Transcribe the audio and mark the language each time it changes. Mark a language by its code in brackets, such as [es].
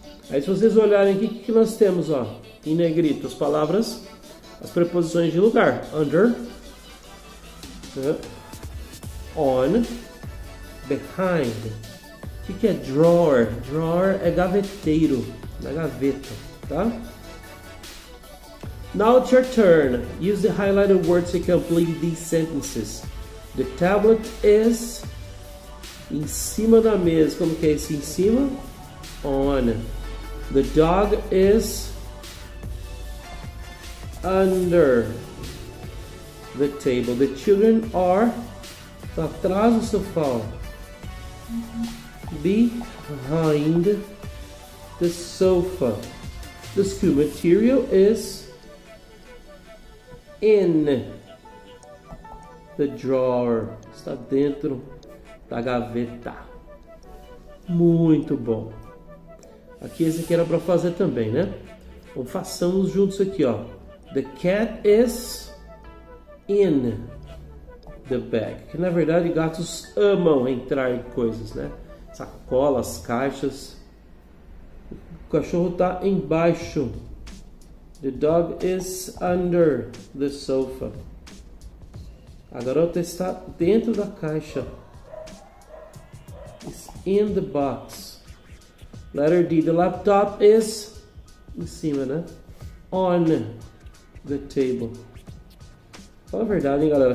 [pt] Aí, se vocês olharem aqui, o que nós temos, ó, em negrito? As palavras, as preposições de lugar. [en] Under, on, behind. [pt] O que é drawer? Drawer é gaveteiro, na gaveta, tá? [en] Now it's your turn. Use the highlighted words to complete these sentences. The tablet is [pt] em cima da mesa. Como que é esse em cima? [en] On. The dog is under. the table. The children are [pt] atrás do sofá. [en] Behind the sofa. The school material is in the drawer. [pt] Está dentro da gaveta. Muito bom. Aqui esse aqui era para fazer também, né? Então, façamos juntos aqui, ó. [en] The cat is in the bag. [pt] Que na verdade gatos amam entrar em coisas, né? Sacolas, caixas. O cachorro está embaixo. [en] The dog is under the sofa. [pt] A garota está dentro da caixa. [en] It's in the box. Letter D. The laptop is [pt] em cima, né? [en] On the table. [pt] Fala a verdade, hein, galera.